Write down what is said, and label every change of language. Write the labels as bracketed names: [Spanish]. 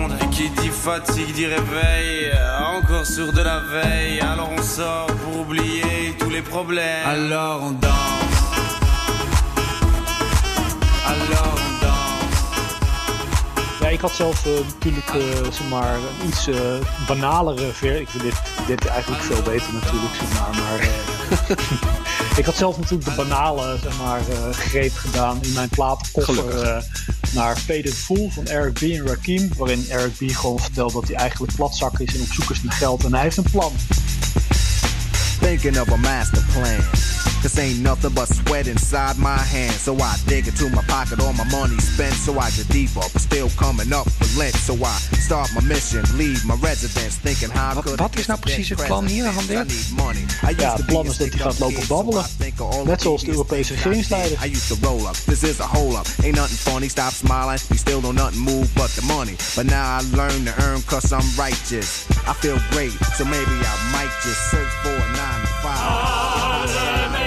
[French] Qui dit fatigue dit réveil, encore sourd de la veille. Alors on sort pour oublier tous les problèmes. Alors on danse. Alors on danse. [Dutch] Ja, ik had zelf natuurlijk een iets banalere versie. Ik vind dit eigenlijk veel beter natuurlijk, maar. Ik had zelf natuurlijk de banale greep gedaan in mijn platenkoffer naar Faded Fool van Eric B. en Rakim. Waarin Eric B. gewoon vertelt dat hij eigenlijk platzak is en op zoek is naar geld. En hij heeft een plan. [English] Thinking of a master plan. Cause ain't nothing but sweat inside my hands. So I dig into my pocket all my money spent. So I get deep up, still coming up for lint. So I start my mission, leave my residence. Thinking how [Dutch] wat is nou precies het plan hier, Handel? Ja, het plan is dat hij gaat lopen babbelen. Net zoals de Europese regeringsleider. [English] I used to roll up, this is a hole up. Ain't nothing funny, stop smiling. We still don't nothing move but the money. But now I learn to earn cause I'm righteous. I feel great, so maybe I might just search for a 9-to-5.